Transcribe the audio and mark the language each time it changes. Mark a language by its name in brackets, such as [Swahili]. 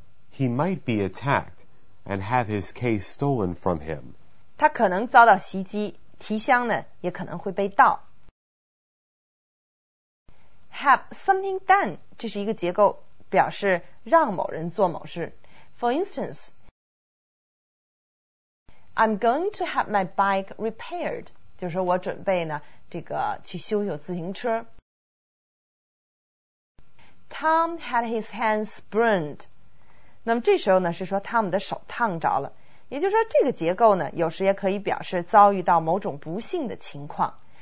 [English] He might be attacked and have his case stolen from him. [Chinese] 他可能遭到袭击，提箱呢也可能会被盗。 [English] Have something done, [Chinese] 这是一个结构，表示让某人做某事。 [English] For instance, I'm going to have my bike repaired. [Chinese] 就是我准备呢这个去修修自行车。 [English] Tom had his hands burned. [Chinese] 那么这时候呢是说他们的手烫着了。也就是说这个结构呢有时也可以表示遭遇到某种不幸的情况。